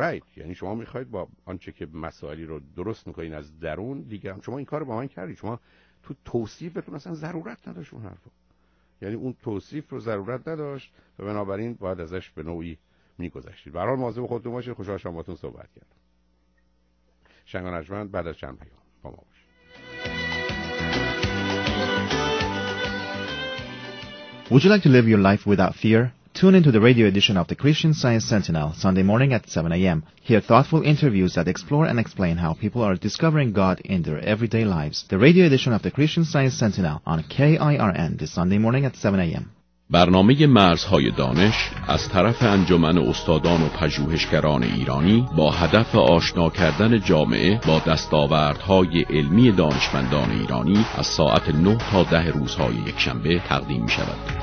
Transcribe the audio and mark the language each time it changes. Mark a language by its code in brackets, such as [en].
[fa] رایت، یعنی شما میخواهید با آنچه که مسائلی رو درست میکنین از درون دیگران، شما این کار رو با من کردید، شما تو توصیفتون اصلا ضرورت نداشت اون حرفو، یعنی اون توصیف رو ضرورت نداشت و بنابراین باید ازش به نوعی میگذشتید. به هر حال مواظب خودتون باشید، خوشحال شدم باهاتون صحبت کردم. شنگ نجمن بعد از چند پیام با ما باش. [en] Would you like to live your life without fear? Tune into the radio edition of the Christian Science Sentinel Sunday morning at 7 a.m. Hear thoughtful interviews that explore and explain how people are discovering God in their everyday lives. The radio edition of the Christian Science Sentinel on KIRN this Sunday morning at 7 a.m. [fa] برنامه مرزهای دانش از طرف انجمن استادان و پژوهشگران ایرانی با هدف آشنا کردن جامعه با دستاوردهای علمی دانشمندان ایرانی از ساعت 9 تا 10 روزهای یکشنبه تقدیم می شود.